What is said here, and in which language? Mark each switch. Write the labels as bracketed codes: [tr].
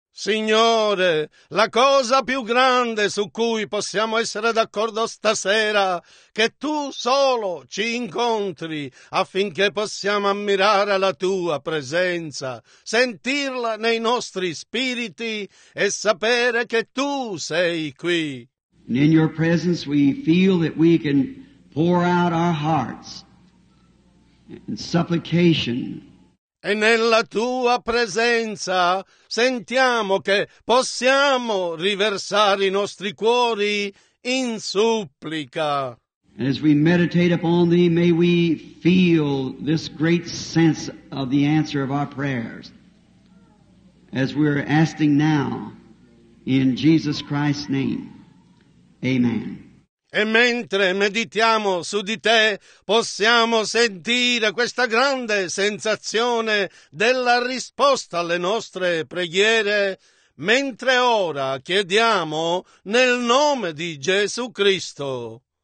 [it] Signore, la cosa più grande su cui possiamo essere d'accordo stasera, che tu solo ci incontri affinché possiamo ammirare la tua presenza, sentirla nei nostri spiriti e sapere che tu sei qui. [en] And in your presence we feel that we can pour out our hearts in supplication. [it] E nella tua presenza sentiamo che possiamo riversare i nostri cuori in supplica. [en] And as we meditate upon thee, may we feel this great sense of the answer of our prayers, as we're asking now in Jesus Christ's name. Amen. [it] E mentre meditiamo su di te, possiamo sentire questa grande sensazione della risposta alle nostre preghiere, mentre ora chiediamo nel nome di Gesù Cristo.